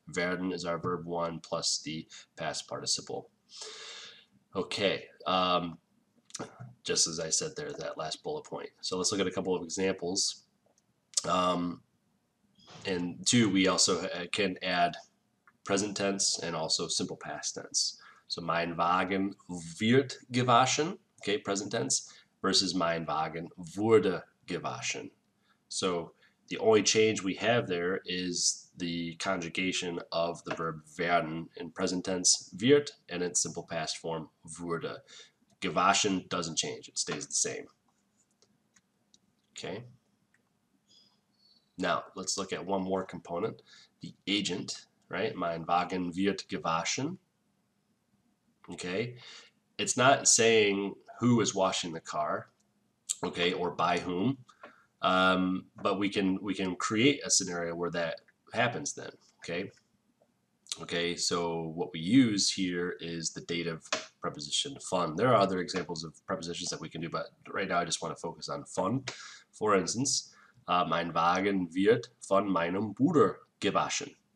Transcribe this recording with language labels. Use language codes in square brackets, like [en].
[en] Werden is our verb one plus the past participle. Okay, just as I said there, that last bullet point. So let's look at a couple of examples. And two, we also can add present tense and also simple past tense. [de] So mein Wagen wird gewaschen, okay, [en] present tense, versus [de] mein Wagen wurde gewaschen. [en] So the only change we have there is the conjugation of the verb werden in present tense, wird, and its simple past form, wurde. Gewaschen doesn't change, it stays the same. Okay. Now, let's look at one more component, the agent, right? [de] Mein Wagen wird gewaschen. Okay. [en] It's not saying who is washing the car, okay, or by whom. But we can create a scenario where that happens then, okay? Okay, so what we use here is the dative preposition von. There are other examples of prepositions that we can do, but right now I just want to focus on von. For instance, [de] mein Wagen wird von meinem Bruder gewaschen.